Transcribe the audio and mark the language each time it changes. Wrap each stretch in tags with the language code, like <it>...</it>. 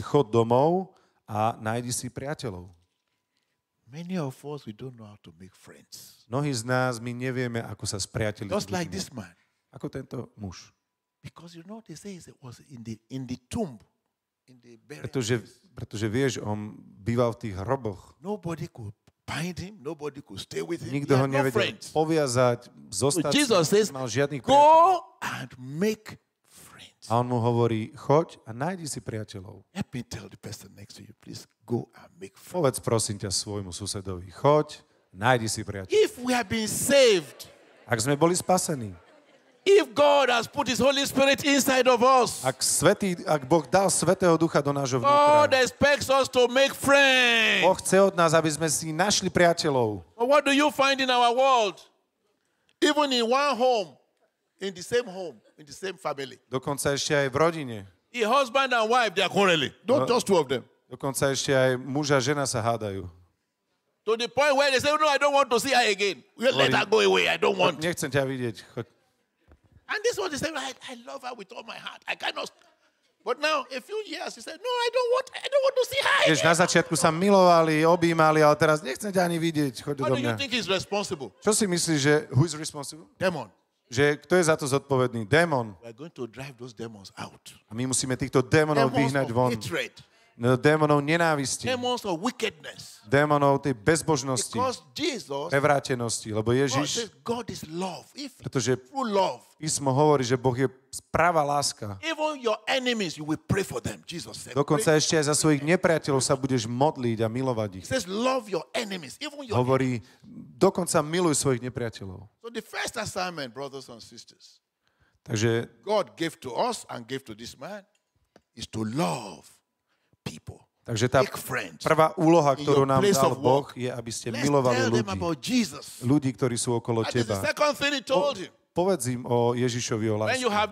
<sk>Chod domov a nájdeš si priateľov.</sk> <en>Many of us, we don't know how to make friends.</en> <sk>Mnohí z nás, my nevieme, ako sa spriateľiť.</sk> <en>Just like this man.</en> <sk>Ako tento muž.</sk> <en>Because you know they say it was in the tomb. In the burial.</en> <sk>Pretože vieš, on býval v tých hroboch.</sk> <en>Nobody could bind him, nobody could stay with him.</en> <sk>Nikto ho nevedel poviazať, zostať.</sk> <en>Jesus says,</en> <sk>mal žiadnych priateľov.</sk> <en>Go and make friends.</en> <sk>A on mu hovorí, choď a nájdi si priateľov.</sk> <en>Let me tell the person next to you, please go and make friends.</en> <sk>Povedz prosím ťa svojmu susedovi, choď, nájdi si priateľov.</sk> <en>If we have been saved.</en> <sk>Ak sme boli spasení.</sk> <en>If God has put his Holy Spirit inside of us.</en> <sk>Ak Boh dal Svätého Ducha do nášho vnútra.</sk> <en>God expects us to make friends.</en> <sk>Boh chce od nás, aby sme si našli priateľov.</sk> <en>But what do you find in our world? Even in one home. In the same home, in the same family.</en> <sk>Dokonca ešte aj v rodine.</sk> <en>A husband and wife, they are currently. Not just two of them.</en> <sk>Dokonca ešte aj muž a žena sa hádajú.</sk> <en>To the point where they say, no, I don't want to see her again. We'll let her go away, I don't want.</en> <sk>Nechcem ťa vidieť.</sk> <en>And this one, they say, I love her with all my heart. I cannot... But now, a few years, he said, no, I don't want to see her again.</en> <sk>Vieš, na začiatku sa milovali, objímali, ale teraz nechcem ťa ani vidieť. Choď do mňa.</sk> <en>You think he's responsible?</en> <sk>Čo si myslíš, že</sk> <en>who is responsible? Demon.</en> <sk>Že kto je za to zodpovedný? Démon.</sk> <en>We are going to drive those demons out.</en> <sk>A my musíme týchto démonov vyhnať von. Démonov nenávisti.</sk> <en>Demons of wickedness.</en> <sk>Démonov tej bezbožnosti.</sk> <en>Because Jesus,</en> <sk>prevrátenosti, lebo Ježiš.</sk> <en>God is love. If</en> <sk>pretože</sk> <en>true love.</en> <sk>Písmo hovorí, že Boh je pravá láska.</sk> <en>Even your enemies you will pray for them. Jesus said.</en> <sk>Dokonca ešte aj za svojich nepriateľov sa budeš modliť a milovať ich.</sk> <en>He says love your enemies, even your</en> <sk>hovorí, dokonca miluj svojich nepriateľov.</sk> <en>So the first assignment, brothers and sisters.</en> <sk>Takže</sk> <en>God gave to us and gave to this man is to love. People.</en> <sk>Takže tá prvá úloha, ktorú nám dal Boh, je, aby ste milovali ľudí. Ľudí, ktorí sú okolo teba. Povedz im o Ježišovi, o láske.</sk>